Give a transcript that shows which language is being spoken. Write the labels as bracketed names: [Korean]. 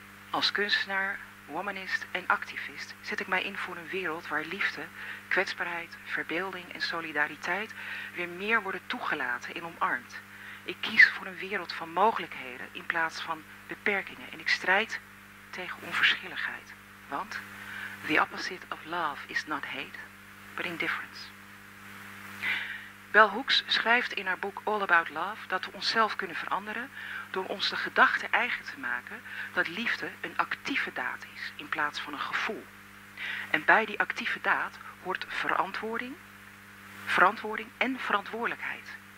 [Dutch] Als kunstenaar, womanist en activist zet ik mij in voor een wereld waar liefde, kwetsbaarheid, verbeelding en solidariteit weer meer worden toegelaten en omarmd. Ik kies voor een wereld van mogelijkheden in plaats van beperkingen en ik strijd tegen onverschilligheid. Want [English] the opposite of love is not hate, but indifference. [Dutch] Bell Hooks schrijft in haar boek All About Love dat we onszelf kunnen veranderen door ons de gedachte eigen te maken dat liefde een actieve daad is in plaats van een gevoel. En bij die actieve daad hoort verantwoording en verantwoordelijkheid.